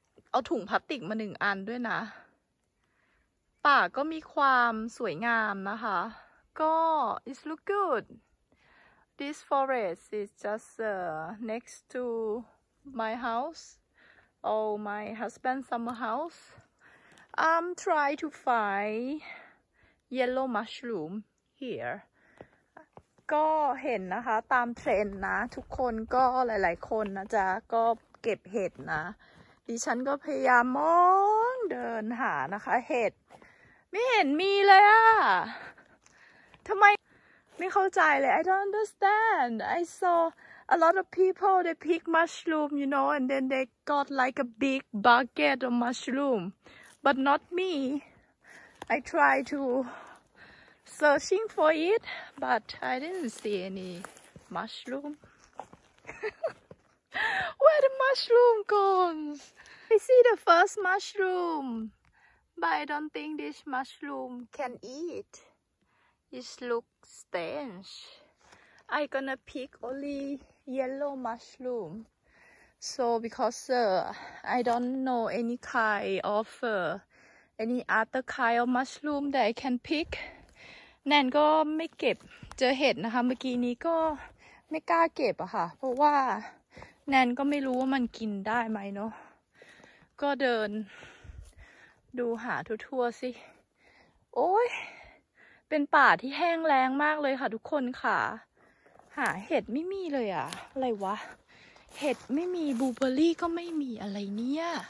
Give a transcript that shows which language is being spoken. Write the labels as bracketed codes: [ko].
[th] เอาถุงพลาสติกมา1อันด้วยนะป่าก็มีความสวยงามนะคะก็ [en] It looks good This forest is just next toMy house, or my husband's summer house. I'm trying to find yellow mushroom here. [th] ก็เห็นนะคะตามเทรนด์นะทุกคนก็หลายๆคนนะจ๊ะก็เก็บเห็ดนะดิฉันก็พยายามมองเดินหานะคะเห็ดไม่เห็นมีเลยอ่ะทำไมไม่เข้าใจเลย [en] I don't understand. I sawA lot of people, they pick mushroom, you know, and then they got like a big bucket of mushroom. But not me. I tried to searching for it, but I didn't see any mushroom. Where the mushroom goes? I see the first mushroom. But I don't think this mushroom can eat. It looks strange. I'm gonna pick onlyYellow mushroom. So because I don't know any kind of any other kind of mushroom that I can pick. [th] แนนก็ไม่เก็บเจอเห็ดนะคะเมื่อกี้นี้ก็ไม่กล้าเก็บอะค่ะเพราะว่าแนนก็ไม่รู้ว่ามันกินได้ไหมเนาะก็เดิน ดูหาทั่วๆสิโอ้ยเป็นป่าที่แห้งแล้งมากเลยค่ะทุกคนค่ะหาเห็ดไม่มีเลยอะอะไรวะเห็ดไม่มีบลูเบอร์รี่ก็ไม่มีอะไรเนี่ย